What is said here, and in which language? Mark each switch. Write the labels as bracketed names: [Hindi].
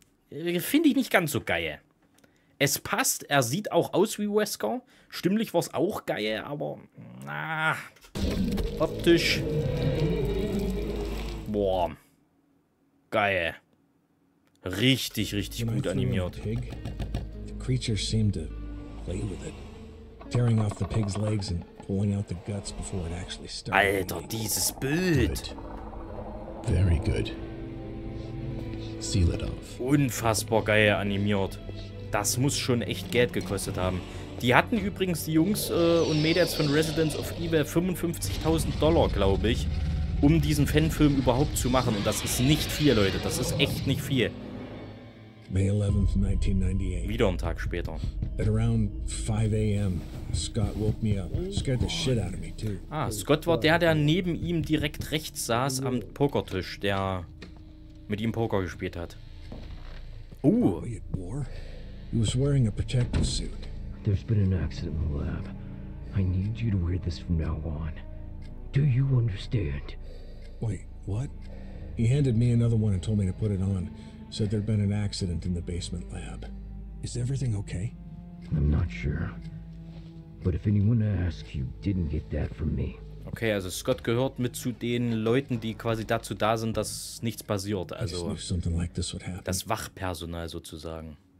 [German] Finde ich nicht ganz so geil. Es passt, er sieht auch aus wie Wesker. Stimmlich war es auch geil, aber... Ah, optisch. Boah. Geil. Richtig, richtig gut animiert. [English] The creature seemed to play with it. Tearing off the pig's legs and pulling out the guts before it actually started. [German] Alter, dieses Bild. [English] Very good. Seal it off. [German] Unfassbar geil animiert. Das muss schon echt Geld gekostet haben. Die hatten übrigens die Jungs und Mädels von Residents of Evil $55,000, glaube ich, um diesen Fanfilm überhaupt zu machen. Und das ist nicht viel, Leute. Das ist echt nicht viel. [English] May 11th, 1998. [German] Wieder einen Tag später. [English] At around 5 a.m., Scott woke me up. Scared the shit out of me, too. [German] Ah, Scott war der, der neben ihm direkt rechts saß am Pokertisch, der mit ihm Poker gespielt hat. [English] He was wearing a protective suit. There's been an accident in the lab. I need you to wear this from now on. Do you understand? Wait, what? He handed me another one and told me to put it on. Said there'd been an accident in the basement lab. Is everything okay? I'm not sure. But if anyone asks, you didn't get that from me. [German] Okay, also Scott gehört mit zu den Leuten, die quasi dazu da sind, dass nichts passiert. Also das Wachpersonal sozusagen.